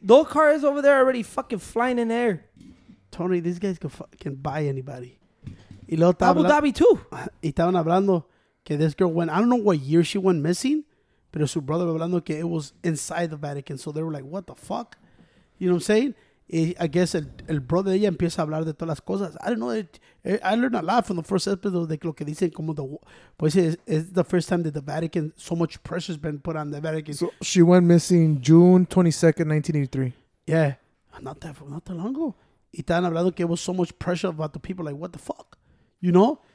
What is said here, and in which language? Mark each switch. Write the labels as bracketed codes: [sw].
[en] Those cars over there are already fucking flying in the air. Tony, these guys can fucking buy anybody. [es] Y luego Abu Dhabi, [en] too. [es] Y estaban hablando... [en] Okay, this girl went, I don't know what year she went missing, but [es] su brother hablando que [en] it was inside the Vatican. So they were like, what the fuck? You know what I'm saying? I guess [es] el brother de ella empieza a hablar de todas las cosas. [en] I don't know. I learned a lot from the first episode, like [es] lo que dicen como [en] the... Pues it's the first time that the Vatican, so much pressure has been put on the Vatican. So she went missing June 22nd, 1983. Yeah. Not that long ago. [es] Y estaban hablando que [en] it was so much pressure about the people, like, what the fuck? You know?